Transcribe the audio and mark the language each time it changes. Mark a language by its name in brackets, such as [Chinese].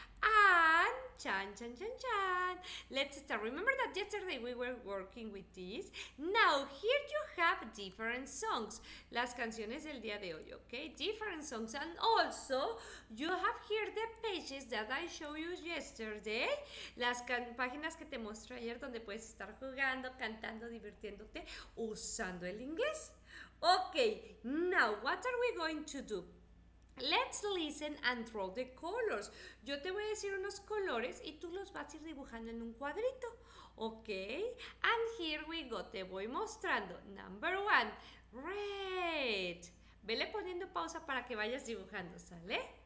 [English] And, chan. Let's start. Remember that yesterday we were working with this? Now, here you have different songs. [Spanish] Las canciones del día de hoy, [English] okay? Different songs. And also, you have here the pages that I showed you yesterday. [Spanish] Las páginas que te mostré ayer donde puedes estar jugando, cantando, divirtiéndote, usando el inglés. [English] Okay, now, what are we going to do? Let's listen and draw the colors. [Spanish] Yo te voy a decir unos colores y tú los vas a ir dibujando en un cuadrito. [English] Ok, and here we go, [Spanish] te voy mostrando. [English] Number one, red. [Spanish] Vele poniendo pausa para que vayas dibujando, ¿sale?